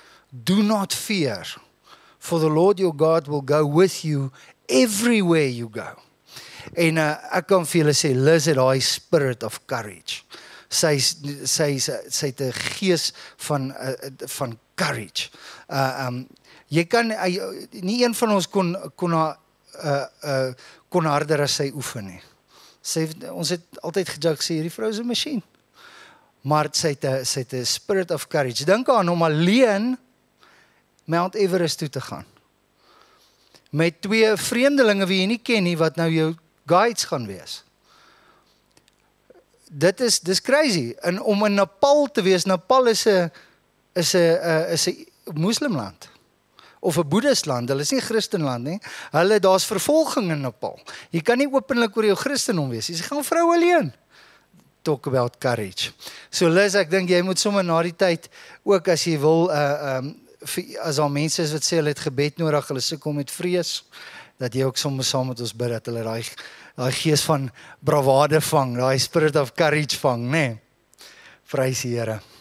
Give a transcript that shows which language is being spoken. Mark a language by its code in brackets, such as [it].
[en] Do not fear, for the Lord your God will go with you everywhere you go. [af] En ek kan vir julle sê, Liz het die [en] spirit of courage. [af] Sy het die gees van courage. Jy kan, nie een van ons kon harder as sy oefen nie. Ons het altyd gejag sê, hierdie vrou is een machine. Maar sy het die [en] spirit of courage. [af] Dink aan om alleen Mount Everest toe te gaan. Met twee vreemdelinge wie jy nie ken nie, wat nou jou guides gaan wees. Dit is crazy. En om in Nepal te wees, Nepal is een moslimland. Of een boeddhistland, hulle is nie christenland nie. Hulle, daar is vervolging in Nepal. Jy kan nie openlik oor jou christendom wees. Jy sê, gaan vrou alleen. [en] Talk about courage. [af] So Liz, ek dink jy moet sommer na die tyd, ook as jy wil, as al mense is wat sê, hulle het gebed nodig, hulle sê kom met vrees, dat jy ook soms saam met ons bid, dat hulle die gees van bravade vang, die [en] spirit of courage [af] vang, nee. Prys die Here.